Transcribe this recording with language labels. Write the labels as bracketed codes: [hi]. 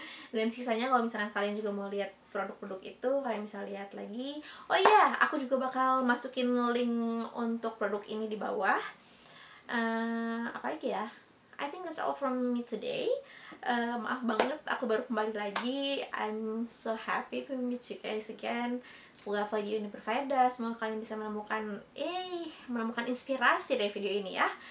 [id] Dan sisanya kalau misalkan kalian juga mau lihat produk-produk itu, kalian bisa lihat lagi. Oh iya, aku juga bakal masukin link untuk produk ini di bawah. Apa lagi ya? [en] I think that's all from me today. [id] Maaf banget, aku baru kembali lagi. [en] I'm so happy to meet you guys again. [id] Semoga video ini berfaedah. Semoga kalian bisa menemukan inspirasi dari video ini ya.